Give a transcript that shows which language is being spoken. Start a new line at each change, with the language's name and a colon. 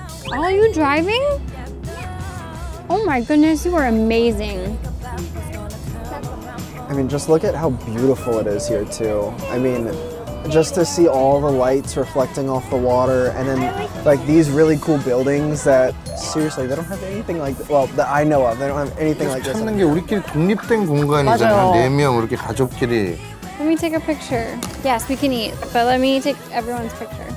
English: Are you driving? Oh my goodness, you are amazing. I mean, just look at how beautiful it is here too. I mean, just to see all the lights reflecting off the water and then like these really cool buildings that seriously, they don't have anything like, well, that I know of. They don't have anything like this.
Korean: 찾는 게 우리끼리 독립된 공간이잖아. 네 명 이렇게 가족끼리.
English: Let me take a picture. Yes, we can eat, but let me take everyone's picture.